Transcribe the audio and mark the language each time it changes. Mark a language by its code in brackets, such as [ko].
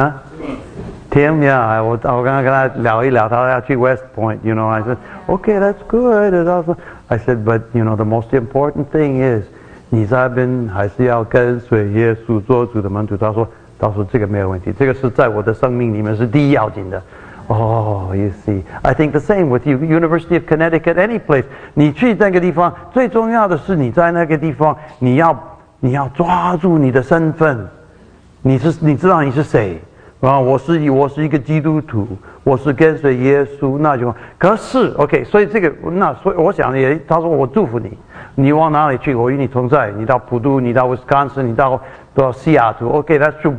[en] 啊 Tim, yeah, [zh] 我刚刚跟他聊一聊，他要去 [en] West Point, you know, I said, okay, that's good, it's awesome. I said, but you know, the most important thing is, [zh] 你在那边还是要跟随耶稣做主的门徒。他说，到时候这个没有问题，这个是在我的生命里面是第一要紧的。 [en] You see, I think the same with you, University of Connecticut, any place. [zh] 你去那个地方，最重要的是你在那个地方，你要你要抓住你的身份，你知道你是谁，然后我是一个基督徒，我是跟随耶稣，那就可是 OK。所以这个，那所以我想也，他说我祝福你，你往哪里去我与你同在，你到普渡，你到 Wisconsin， 你到西雅图， OK， [en] that's true。